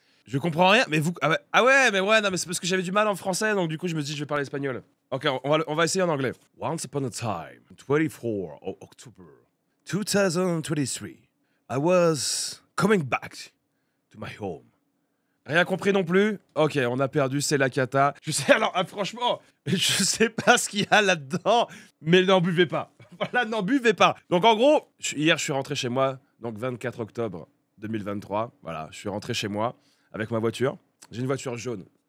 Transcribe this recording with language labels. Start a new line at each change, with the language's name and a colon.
French: Je comprends rien, mais vous. Ah ouais, mais c'est parce que j'avais du mal en français, donc du coup, je me dis, je vais parler espagnol. Ok, on va essayer en anglais.
English: Once upon a time, 24 of October 2023, I was coming back to my home.
French: Rien compris non plus. Ok, on a perdu, c'est la cata. Je sais, alors, franchement, je sais pas ce qu'il y a là-dedans, mais n'en buvez pas. Voilà, n'en buvez pas. Donc en gros, hier, je suis rentré chez moi, donc 24 octobre 2023. Voilà, je suis rentré chez moi. Avec ma voiture, j'ai une voiture jaune.